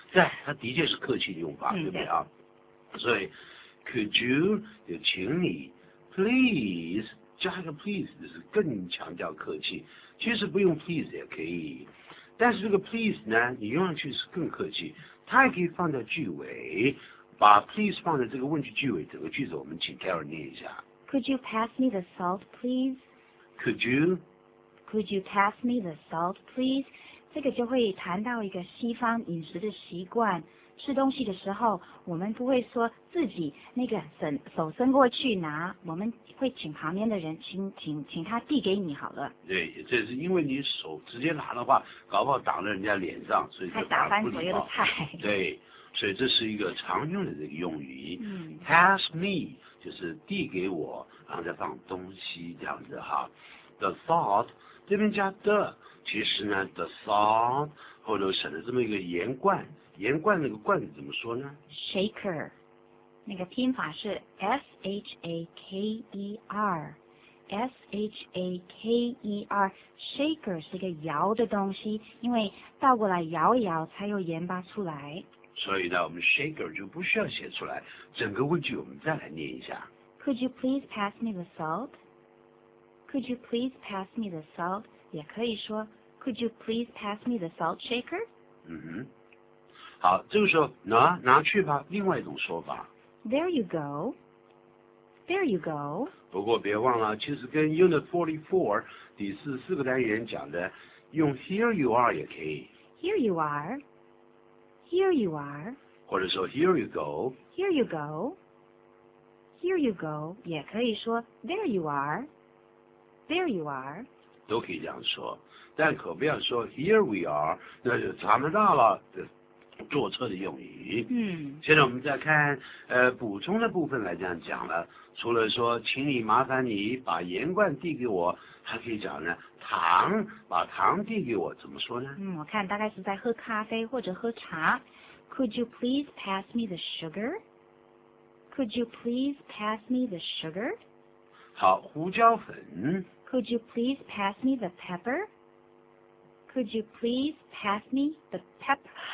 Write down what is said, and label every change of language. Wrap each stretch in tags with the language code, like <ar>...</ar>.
<zh>对，他的确是客气的用法，对不对啊？所以 ，could you 就请你 ，please 加一个 please 就是更强调客气。其实不用 please 也可以，但是这个 please 呢，你用上去是更客气。它还可以放在句尾，把 please 放在这个问句句尾，整个句子我们请 Karen 念一下。</zh> <en>Could you pass me the salt, please? Could you? Could you pass me the salt, please?</en> <zh>这个就会谈到一个西方饮食的习惯，吃东西的时候，我们不会说自己那个手伸过去拿，我们会请旁边的人请他递给你好了。对，这是因为你手直接拿的话，搞不好挡在人家脸上，所以还打翻左右的菜。对，所以这是一个常用的这个用语。嗯，pass me 就是递给我，然后再放东西这样子哈。 The salt 这边加 the， 其实呢 the salt 后头省了这么一个盐罐。盐罐那个罐子怎么说呢？Shaker， 那个拼法是 S H A K E R， S H A K E R， Shaker 是一个摇的东西，因为倒过来摇一摇才有盐巴出来。所以呢，我们 Shaker 就不需要写出来，整个问句我们再来念一下。</zh> <en>Could you please pass me the salt? Could you please pass me the salt?</en> <zh>也可以说</zh> <en>Could you please pass me the salt shaker? 嗯哼。</en> <zh>好，这个时候拿去吧，另外一种说法。</zh> <en>There you go. There you go.</en> <zh>不过别忘了，其实跟 Unit 44第44个单元讲的，用</zh> <en>Here you are</en> <zh>也可以。</zh> <en>Here you are. Here you are.</en> <zh>或者说</zh> <en>Here you go. Here you go. Here you go.</en> <zh>也可以说</zh> <en>There you are. There you are.</en> <zh>都可以这样说，但可不要说</zh> <en>Here we are，</en> <zh>那就查不到了。坐车的用语。嗯，现在我们再看补充的部分来这样讲了，除了说请你麻烦你把盐罐递给我，还可以讲呢糖，把糖递给我怎么说呢？嗯，我看大概是在喝咖啡或者喝茶。</zh> <en>Could you please pass me the sugar? Could you please pass me the sugar?</en> <zh>好，胡椒粉。</zh> <en>Could you please pass me the pepper? Could you please pass me the pepper?</en>